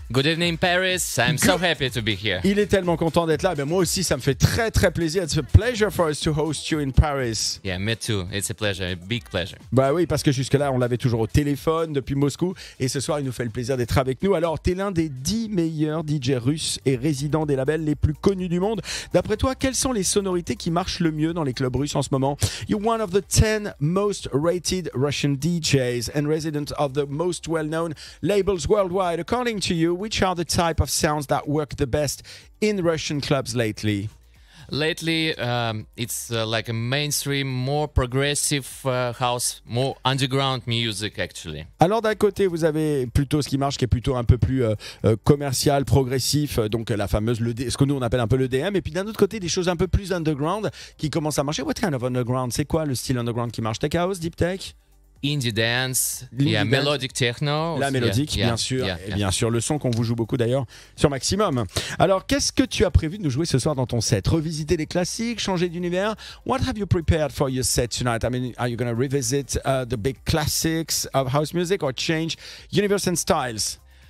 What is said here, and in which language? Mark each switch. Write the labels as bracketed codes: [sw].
[en] Good evening Paris, I'm so happy to be here. [fr] Il est tellement content d'être là, mais moi aussi ça me fait très très plaisir. [en] It's a pleasure for us to host you in Paris. Yeah, me too, it's a pleasure, a big pleasure. [fr] Bah oui, parce que jusque-là on l'avait toujours au téléphone depuis Moscou, et ce soir il nous fait le plaisir d'être avec nous. Alors, t'es l'un des 10 meilleurs DJ russes et résident des labels les plus connus du monde. D'après toi, quelles sont les sonorités qui marchent le mieux dans les clubs russes en ce moment? [en] You're one of the 10 most rated Russian DJs and residents of the most well-known labels worldwide. According to you, which are the type of sounds that work the best in Russian clubs lately? Lately, it's like a mainstream, more progressive house, more underground music, actually. [fr] Alors d'un côté, vous avez plutôt ce qui marche, qui est plutôt un peu plus commercial, progressif, donc la fameuse, ce que nous on appelle un peu l'EDM, et puis d'un autre côté, des choses un peu plus underground qui commencent à marcher. [en] What kind of underground? [fr] C'est quoi le style underground qui marche? Tech house, deep tech? [en] Indie dance, yeah, melodic techno. [fr] La mélodique, yeah, bien sûr. Yeah, yeah, et bien sûr, le son qu'on vous joue beaucoup d'ailleurs sur Maximum. Alors, qu'est-ce que tu as prévu de nous jouer ce soir dans ton set? Revisiter les classiques, changer d'univers? [en] What have you prepared for your set tonight? I mean, are you going to revisit the big classics of house music or change universe and styles?